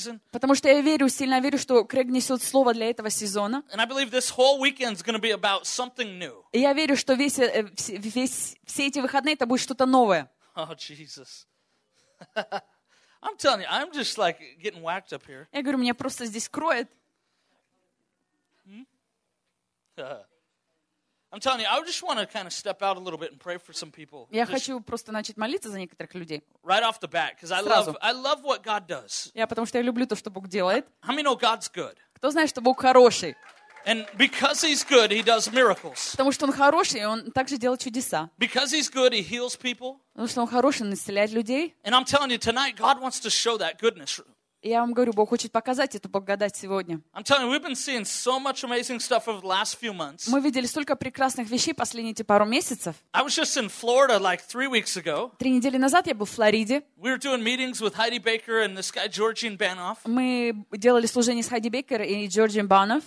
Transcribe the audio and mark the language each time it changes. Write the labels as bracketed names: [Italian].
[Russian] Потому что я верю, сильно верю, что Крейг несет слово для этого сезона. И я верю, что все эти выходные это будет что-то новое. О, Jesus. [English] I'm telling you, I'm just like getting whacked up here. [Russian] Я говорю, меня просто здесь кроет. [English] I'm telling you, I just want to kind of step out a little bit and pray for some people. [Russian] Я хочу просто начать молиться за некоторых людей. [English] Right off the bat, because I love what God does. [Russian] Я потому что я люблю то, что Бог делает. [English] How many know God's good? [Russian] Кто знает, что Бог хороший? [English] And because He's good, He does miracles. [Russian] Потому что Он хороший, Он также делает чудеса. [English] Because He's good, He heals people. [Russian] Потому что Он хороший, Он исцеляет людей. [English] And I'm telling you, tonight God wants to show that goodness. [Russian] Я вам говорю, Бог хочет показать эту благодать сегодня. Мы видели столько прекрасных вещей последние эти пару месяцев. 3 недели назад я был в Флориде. Мы делали служение с Хайди Бейкер и Джорджем Банов.